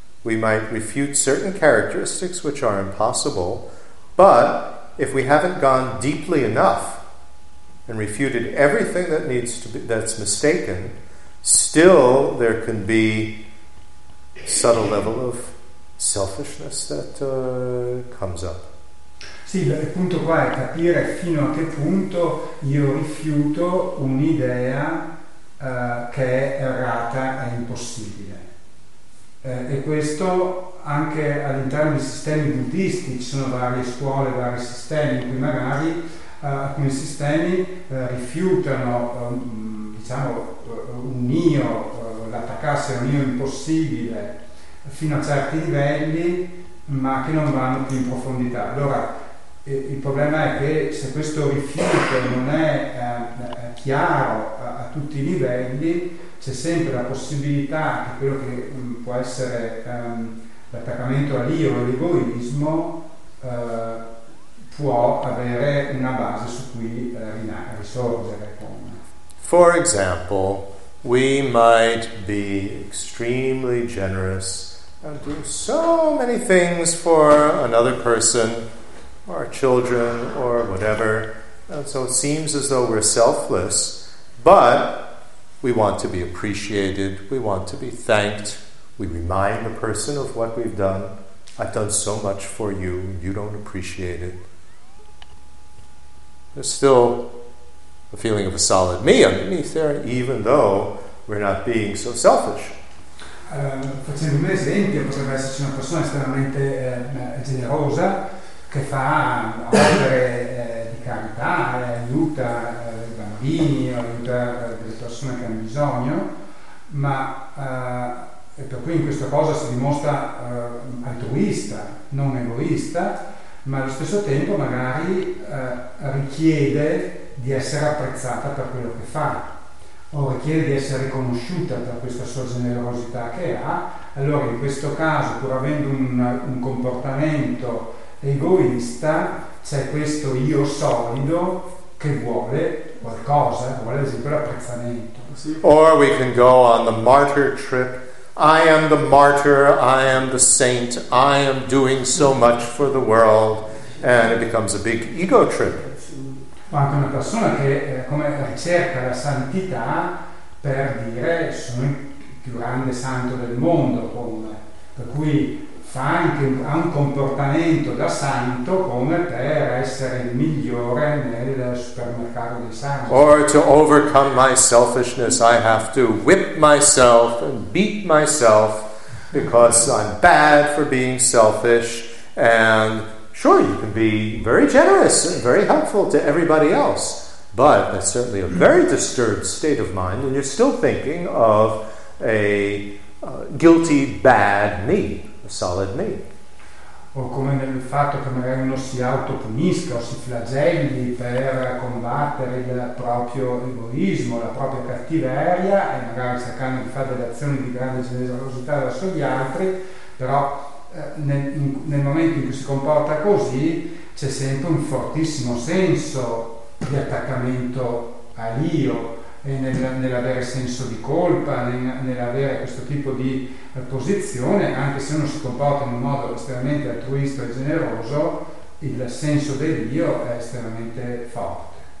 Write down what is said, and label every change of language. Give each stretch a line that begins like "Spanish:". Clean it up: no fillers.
English: We might refute certain characteristics which are impossible, but if we haven't gone deeply enough and refuted everything that needs to be, that's mistaken, still there can be subtle level of selfishness that comes up.
Italian: Sì, il punto qua è capire fino a che punto io rifiuto un'idea che è errata e impossibile. E questo anche all'interno dei sistemi buddisti, ci sono varie scuole, vari sistemi in cui magari alcuni sistemi rifiutano diciamo, un io, l'attaccarsi a un io impossibile fino a certi livelli, ma che non vanno più in profondità. Allora, il problema è che se questo rifiuto non è chiaro a tutti i livelli, c'è sempre la possibilità che quello che può essere l'attaccamento all'io, l'egoismo, può avere una base su cui risorgere con.
English: For example, we might be extremely generous and do so many things for another person, our children, or whatever. And so it seems as though we're selfless, but we want to be appreciated, we want to be thanked, we remind the person of what we've done. I've done so much for you, you don't appreciate it. There's still a feeling of a solid me underneath there, even though we're not being so selfish.
Italian: Facendo un esempio, potrebbe esserci una persona estremamente generosa che fa opere di carità, aiuta, bambini, o aiutare delle persone che hanno bisogno, ma e per cui in questa cosa si dimostra altruista, non egoista, ma allo stesso tempo magari richiede di essere apprezzata per quello che fa, o richiede di essere riconosciuta per questa sua generosità che ha. Allora in questo caso, pur avendo un comportamento egoista, c'è questo io solido che vuole qualcosa, vuole ad esempio l'apprezzamento.
English: Or we can go on the martyr trip. I am the martyr, I am the saint, I am doing so much for the world, and it becomes a big ego trip.
Italian: Anche una persona che come ricerca la santità per dire sono il più grande santo del mondo, come, per cui fa anche un comportamento da santo come per essere il migliore nel supermercato dei santi.
English: Or to overcome my selfishness I have to whip myself and beat myself because I'm bad for being selfish. And sure, you can be very generous and very helpful to everybody else, but that's certainly a very disturbed state of mind, and you're still thinking of a guilty, bad me, a solid me.
Italian: O come nel fatto che magari uno si autopunisca o si flagelli per combattere il proprio egoismo, la propria cattiveria, e magari cercando di fare delle azioni di grande generosità verso gli altri, però nel momento in cui si comporta così c'è sempre un fortissimo senso di attaccamento all'io, e nell'avere senso di colpa, nell'avere questo tipo di posizione, anche se uno si comporta in un modo estremamente altruista e generoso, il senso dell'io è estremamente forte.